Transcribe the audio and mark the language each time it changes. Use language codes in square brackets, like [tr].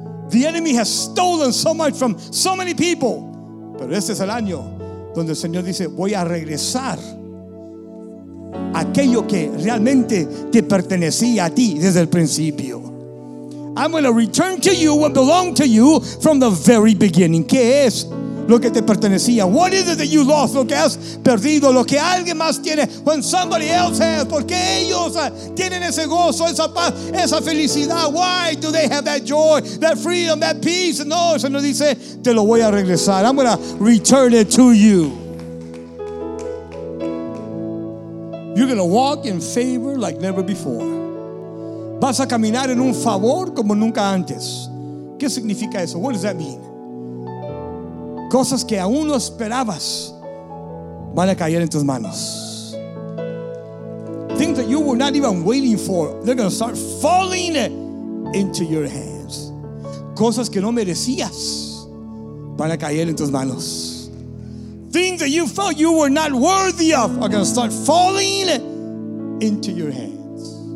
[en] The enemy has stolen so much from so many people. [es] Pero este es el año donde el Señor dice, voy a regresar aquello que realmente te pertenecía a ti desde el principio. [en] I'm going to return to you what belonged to you from the very beginning. [es] ¿Qué es lo que te pertenecía? [en] What is it that you lost? [es] Lo que has perdido, lo que alguien más tiene. [en] When somebody else has, [es] porque ellos tienen ese gozo, esa paz, esa felicidad. [en] Why do they have that joy, that freedom, that peace? [es] No, el Señor dice, te lo voy a regresar. [en] I'm going to return it to you. You're going to walk in favor like never before. [es] Vas a caminar en un favor como nunca antes. ¿Qué significa eso? [en] What does that mean? [es] Cosas que aún no esperabas van a caer en tus manos. [en] Things that you were not even waiting for, they're going to start falling into your hands. [es] Cosas que no merecías van a caer en tus manos. [en] Things that you felt you were not worthy of are going to start falling into your hands.